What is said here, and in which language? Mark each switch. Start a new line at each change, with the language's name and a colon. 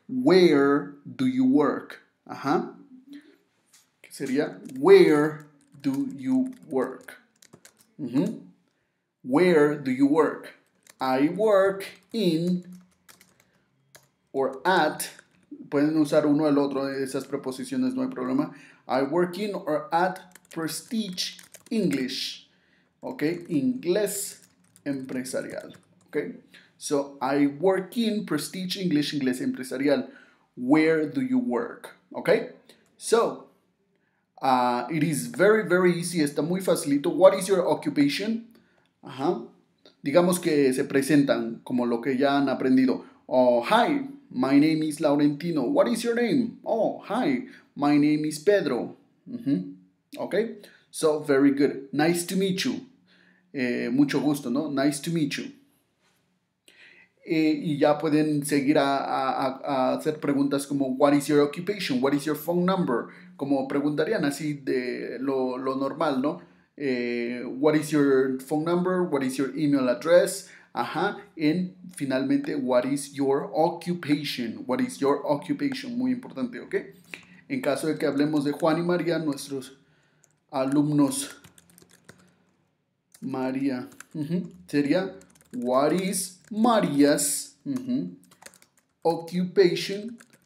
English: Where do you work? Ajá.
Spanish: ¿Qué sería?
English: Where do you work? Uh-huh. Where do you work? I work in or at.
Spanish: Pueden usar uno el otro de esas preposiciones, no hay problema.
English: I work in or at Prestige English. Ok,
Spanish: inglés empresarial.
English: Ok, so I work in Prestige English, inglés empresarial. Where do you work? Ok, so it is very, very easy.
Spanish: Está muy facilito.
English: What is your occupation? Ajá.
Spanish: Digamos que se presentan como lo que ya han aprendido.
English: Oh, hi. My name is Laurentino. What is your name? Oh, hi. My name is Pedro. Mm-hmm. Okay. So, very good. Nice to meet you.
Spanish: Mucho gusto, ¿no?
English: Nice to meet you.
Spanish: Y ya pueden seguir a hacer preguntas como
English: what is your occupation? What is your phone number?
Spanish: Como preguntarían así de lo normal, ¿no?
English: What is your phone number? What is your email address?
Spanish: Ajá, en finalmente,
English: what is your occupation? What is your occupation?
Spanish: Muy importante, ¿ok? En caso de que hablemos de Juan y María, nuestros alumnos, María, uh-huh, sería,
English: what is María's, uh-huh, occupation?